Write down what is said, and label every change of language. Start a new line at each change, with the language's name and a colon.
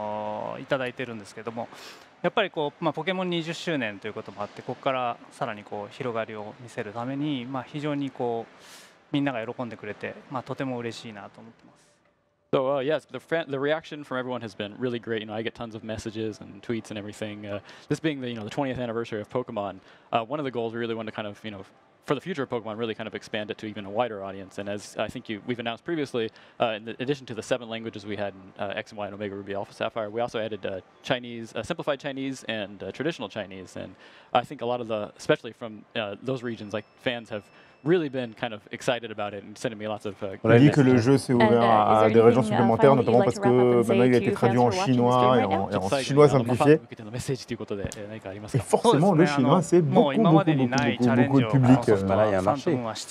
Japanese: ちょっと時間が来てしまいましたけれども、やっぱりディファレンスポケモン戦のポケモンムーン発表されてから、多分ファンからの反響というのはあるんですけれども、その手応えについてお話してもらえますか。そうですね、今回7言語から9言語に中文を増やしまして、特にその中文使われてる人たちからもたくさん反響いただいてまして、自分のツイッターとかいただいてるんですけども、 やっぱりこう、ポケモン20周年ということもあって、ここからさらにこう広がりを見せるために、非常にこうみんなが喜んでくれて、とても嬉しいなと思ってます。
English: So yes, the reaction from everyone has been really great. You know, I get tons of messages and tweets and everything. This being the 20th anniversary of Pokemon, one of the goals we really want to kind of, you know, for the future of Pokemon, really kind of expand it to even a wider audience. And as I think we've announced previously, in addition to the 7 languages we had in X and Y and Omega Ruby Alpha Sapphire, we also added Chinese, simplified Chinese, and traditional Chinese. And I think a lot of the, especially from those regions, like fans have really been kind of excited about it and sending me lots of
French: On a dit que le jeu s'est ouvert à des régions supplémentaires, notamment parce que maintenant il a été traduit en chinois et en chinois simplifié. Et forcément, le chinois, c'est beaucoup de public.